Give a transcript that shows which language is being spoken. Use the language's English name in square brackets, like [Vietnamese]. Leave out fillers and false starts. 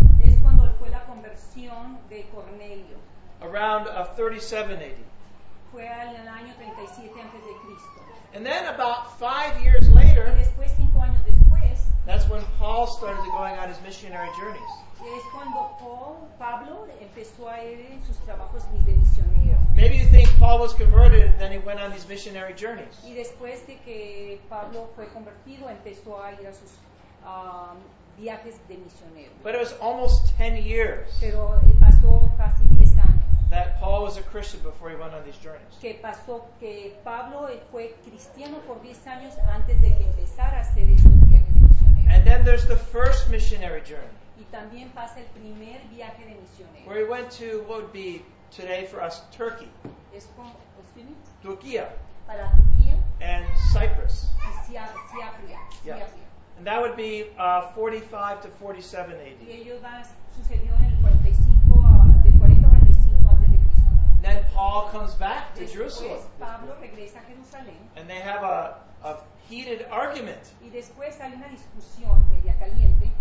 [Spanish] Es cuando fue la conversión de Cornelio. [English] Around 37 AD. [Spanish] Fue en el año 37 antes de Cristo. [English] And then about 5 years later. [Spanish] Y después, 5 años después. [English] That's when Paul started going on his missionary journeys. [Spanish] Es cuando Pablo empezó a ir en sus trabajos de misionero. [English] Maybe you think Paul was converted and then he went on these missionary journeys. [Spanish] Y después de que Pablo fue convertido, empezó a ir a sus viajes de misionero. [English] But it was almost 10 years. [Spanish] Pero pasó casi 10 años. [English] That Paul was a Christian before he went on these journeys. [Spanish] Que pasó que Pablo fue cristiano por 10 años antes de que empezara a hacer esos viajes de misionero. [English] And then there's the first missionary journey. [Spanish] Y también pasa el primer viaje de misionero. [English] Where he went to what would be today for us Turkey. [Spanish] Es como, [English] excuse me? [Spanish] Turquía. Para Turquía. [English] And Cyprus. [Spanish] Y Siapria. [English] Yeah. And that would be 45 to 47 AD. [Spanish] Y ello sucedió en el 45 de 40 a 45 antes de Cristo. [English] Then Paul comes back to Jerusalem. [Spanish] Después Pablo regresa a Jerusalén. [English] And they have a heated argument. [Spanish] Y después hay una discusión media caliente.